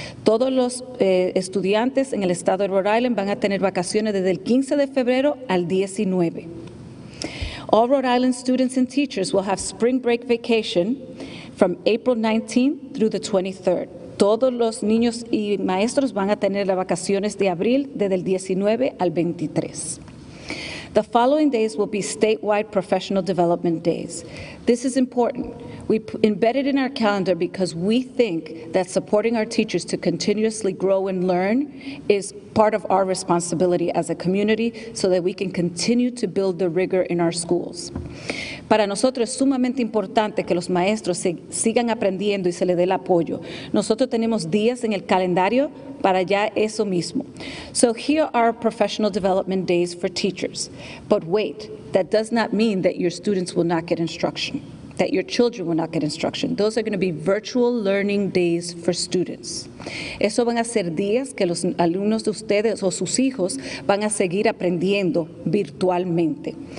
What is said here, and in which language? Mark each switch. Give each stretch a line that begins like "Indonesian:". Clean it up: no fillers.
Spanish: Todos los estudiantes en el estado de Rhode Island van a tener vacaciones desde el 15 de febrero al 19.
English: All Rhode Island students and teachers will have spring break vacation from April 19th through the 23rd.
Spanish: Todos los niños y maestros van a tener las vacaciones de abril desde el 19 al 23.
English: The following days will be statewide professional development days. This is important. We embed it in our calendar because we think that supporting our teachers to continuously grow and learn is part of our responsibility as a community so that we can continue to build the rigor in our schools.
Spanish: Para nosotros es sumamente importante que los maestros sigan aprendiendo y se les dé el apoyo. Nosotros tenemos días en el calendario para ya eso mismo.
English: So here are professional development days for teachers. But wait, that does not mean that your students will not get instruction, that your children will not get instruction. Those are going to be virtual learning days for students.
Spanish: Eso van a ser días que los alumnos de ustedes o sus hijos van a seguir aprendiendo virtualmente.